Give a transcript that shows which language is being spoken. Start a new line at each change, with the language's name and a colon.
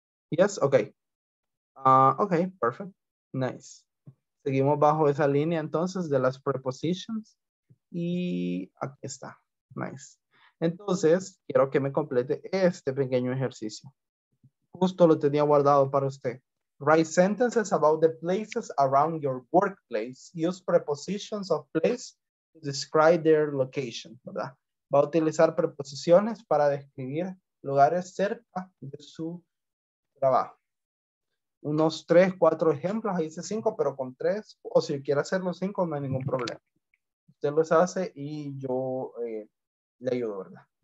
English: Yes. Ok. Ok. Perfect. Nice.
Spanish: Seguimos bajo esa línea entonces de las prepositions. Y aquí está. Nice. Entonces, quiero que me complete este pequeño ejercicio. Justo lo tenía guardado para usted.
English: Write sentences about the places around your workplace. Use prepositions of place to describe their location, ¿verdad?
Spanish: Va a utilizar preposiciones para describir lugares cerca de su trabajo. Unos 3-4 ejemplos, ahí dice 5, pero con 3, o si quiere hacerlo 5, no hay ningún problema. Usted los hace y yo le ayudo, ¿verdad?